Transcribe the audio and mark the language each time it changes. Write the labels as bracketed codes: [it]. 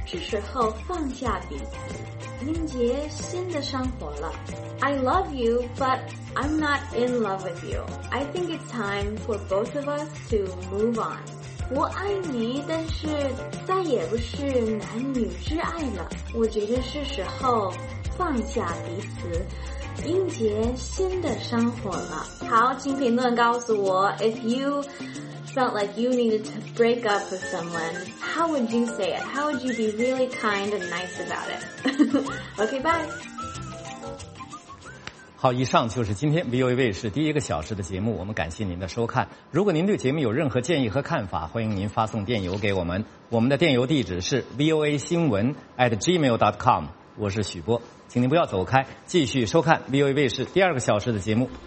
[zh] 是时候放下彼此，迎接新的生活了。 [en] I love you, but I'm not in love with you. I think it's time for both of us to move on. [zh] 我爱你，但是再也不是男女之爱了。我觉得是时候放下彼此，迎接新的生活了。好，请评论告诉我 [en] ，If you felt like you needed to break up with someone, how would you say it? How would you be really kind and nice about it? Okay, bye. [zh] 好，以上就是今天 VOA 卫视第一个小时的节目，我们感谢您的收看。如果您对节目有任何建议和看法，欢迎您发送电邮给我们。我们的电邮地址是 voa 新闻@gmail.com。我是许波，请您不要走开，继续收看 VOA 卫视第二个小时的节目。